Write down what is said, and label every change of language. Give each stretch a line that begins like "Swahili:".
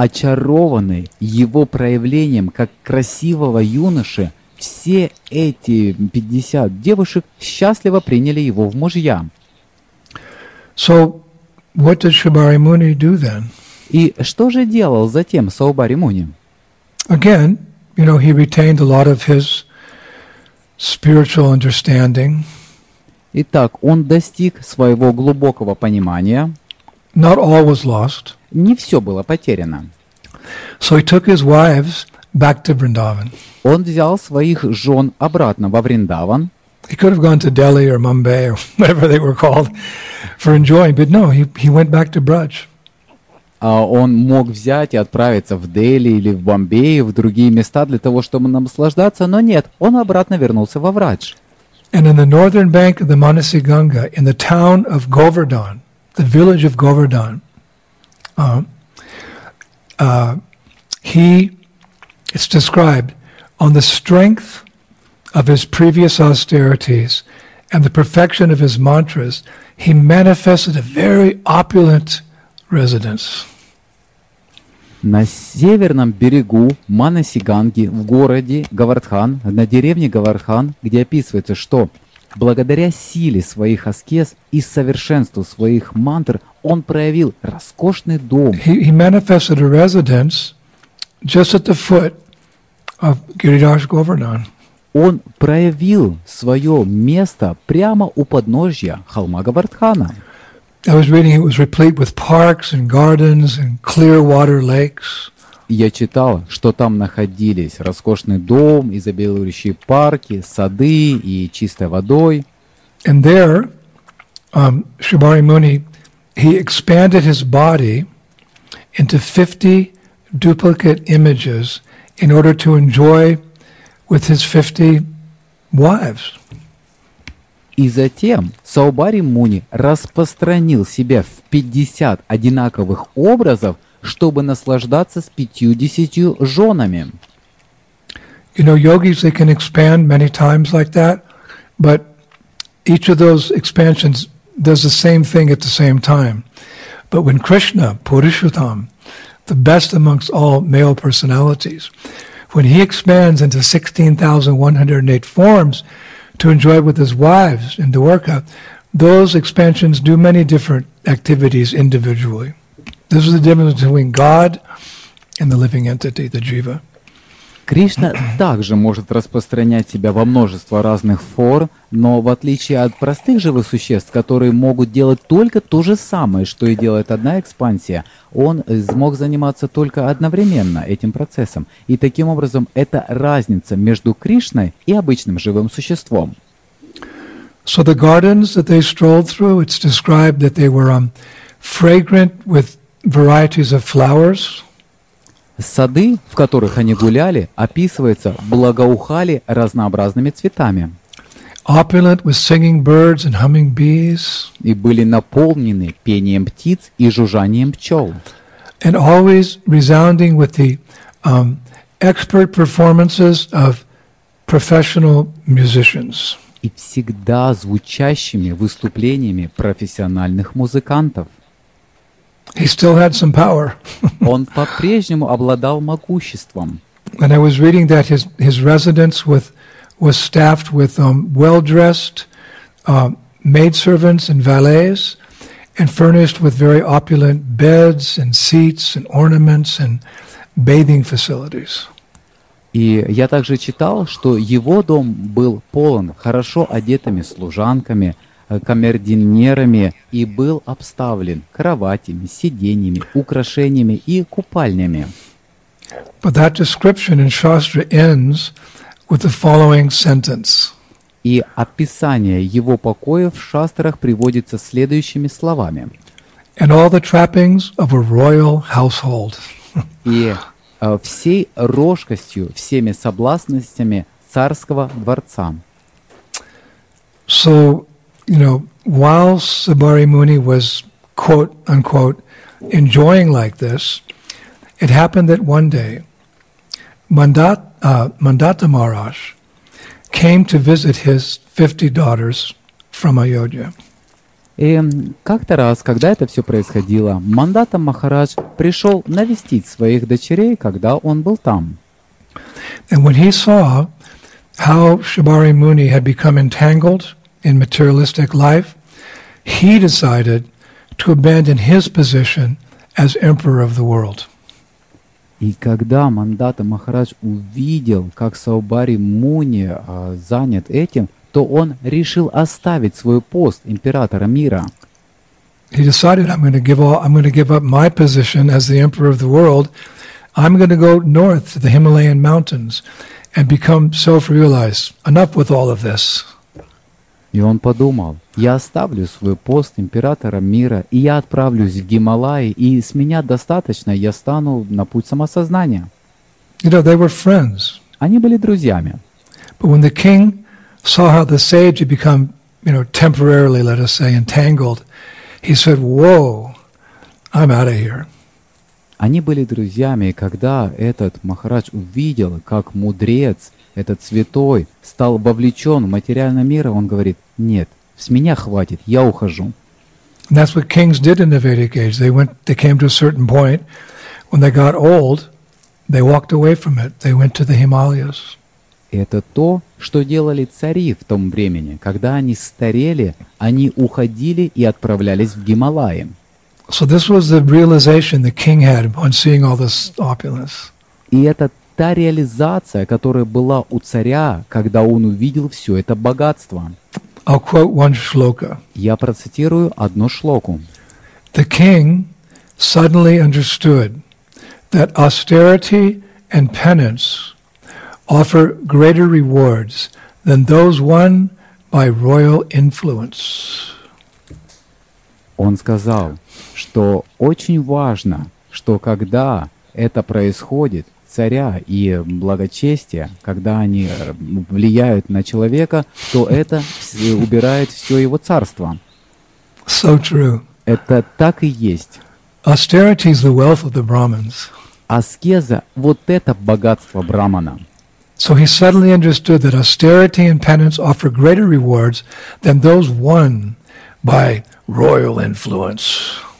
Russian: Очарованный его проявлением как красивого юноши, все эти 50 девушек счастливо приняли его в мужья.
English: So, what did Shibari Muni do then?
Russian: И что же делал затем Шибари Муни?
English: Again, you know, he retained a lot of his spiritual understanding.
Russian: Итак, он достиг своего глубокого понимания.
English: Not all was lost.
Russian: Не все было потеряно.
English: So he took his wives back to Vrindavan.
Russian: Он взял своих жен обратно во Вриндаван.
English: He could have gone to Delhi or Mumbai or whatever they were called for enjoying, but no, he went back to Braj.
Russian: А он мог взять и отправиться в Дели или в Бомбее, в другие места для того, чтобы наслаждаться, но нет, он обратно вернулся во Врадж.
English: And in the northern bank of the Manasi Ganga, in the town of Govardhan, the village of Govardhan, it's described on the strength of his previous austerities and the perfection of his mantras, he manifested a very opulent residence.
Russian: На северном берегу Манасиганги, в городе Говардхан, на деревне Говардхан, где описывается, что благодаря силе своих аскез и совершенству своих мантр, он проявил роскошный дом.
English: He manifested a residence just at the foot of Giridhar Govardhan.
Russian: Он проявил свое место прямо у подножья холма Говардхана.
English: I was reading it was replete with parks and gardens and clear water lakes.
Russian: Я читал, что там находились роскошный дом, изобилующие парки, сады и чистой водой.
English: And there, Shibari Muni, he expanded his body into 50 duplicate images in order to enjoy with his 50 wives.
Russian: И затем Шибари Муни распространил себя в 50 одинаковых образов, чтобы наслаждаться с 50 женами.
English: You know, yogis, they can expand many times like that, but each of those expansions does the same thing at the same time. But when Krishna, Purushottam, the best amongst all male personalities, when he expands into 16,108 forms to enjoy with his wives in Dwarka, those expansions do many different activities individually. This is the difference between God and the living entity, the jiva.
Russian: Кришна также может распространять себя во множество разных форм, но в отличие от простых живых существ, которые могут делать только то же самое, что и делает одна экспансия, он смог заниматься только одновременно этим процессом. И таким образом, это разница между Кришной и обычным живым существом.
English: So the gardens that they strolled through, it's described that they were fragrant with varieties of flowers.
Russian: Сады, в которых они гуляли, описывается, благоухали разнообразными цветами.
English: Opulent with singing birds and humming bees.
Russian: И были наполнены пением птиц и жужжанием пчел.
English: And always resounding with the expert performances of professional musicians.
Russian: И всегда звучащими выступлениями профессиональных музыкантов.
English: He still had some power.
Russian: Он по-прежнему обладал могуществом.
English: And I was reading that his residence was staffed with well-dressed maidservants and valets, and furnished with very opulent beds and seats and ornaments and bathing facilities.
Russian: И я также читал, что его дом был полон хорошо одетыми служанками, камердинерами и был обставлен кроватями, сиденьями, украшениями и купальнями.
English: But that description in Shastra ends with the following sentence.
Russian: И описание его покоев в шастрах приводится следующими словами.
English: And all the trappings of a royal household.
Russian: И всей роскошью, всеми соблазнностями царского дворца.
English: So, you know, while Sabari Muni was quote unquote enjoying like this, it happened that one day Mandata Maharaj came to visit his 50 daughters from Ayodhya.
Russian: И как-то раз, когда это все происходило, Мандата Махарадж пришел навестить своих дочерей, когда он был там.
English: And when he saw how Sabari Muni had become entangled in materialistic life, he decided to abandon his position as emperor of the world.
Russian: И когда Мандата Махарадж увидел, как Саубари Муни занят этим, то он решил оставить свой пост императора мира.
English: He decided, I'm going to give up my position as the emperor of the world. I'm going to go north to the Himalayan mountains and become self-realized. Enough with all of this.
Russian: И он подумал, я оставлю свой пост императора мира, и я отправлюсь в Гималаи, и с меня достаточно, я стану на путь самосознания.
English: You know, they were friends.
Russian: Они были друзьями.
English: But when the king saw how the sage had become, you know, temporarily, let us say, entangled, he said, whoa, I'm out of here.
Russian: Они были друзьями, и когда этот Махарадж увидел, как мудрец, этот святой, стал вовлечен в материальный мир, он говорит, нет, с меня хватит, я ухожу.
English: And that's what kings did in the Vedic age. They came to a certain point. When they got old, they walked away from it. They went to the Himalayas.
Russian: Это то, что делали цари в том времени. Когда они старели, они уходили и отправлялись в Гималаи.
English: So this was the realization the king had on seeing all this opulence.
Russian: И это та реализация, которая была у царя, когда он увидел все это богатство.
English: I'll quote one shloka.
Russian: Я процитирую одну шлоку.
English: The king suddenly understood that austerity and penance offer greater rewards than those won by royal influence.
Russian: Он сказал, что очень важно, что когда это происходит, царя и благочестие, когда они влияют на человека, то это убирает все его царство.
English: So true.
Russian: Это так и есть.
English: Austerity is the wealth of the Brahmins.
Russian: Аскеза – вот это богатство брахмана.
English: So he suddenly understood that austerity and penance offer greater rewards than those won by royal influence.